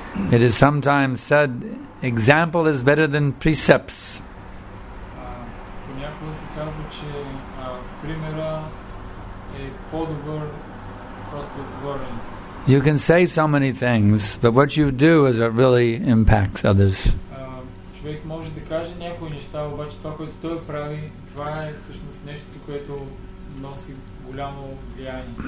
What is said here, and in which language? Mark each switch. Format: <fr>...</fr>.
<en>It is sometimes said, example is better than precepts.</en> <bg>понякога се казва, че примера е по-добър просто отговорен.</bg> <en>You can say so many things, but what you do is what really impacts others.</en> <bg>Човек може да каже някои неща, обаче това, което той прави, това е всъщност нещо, което носи голямо влияние.</bg>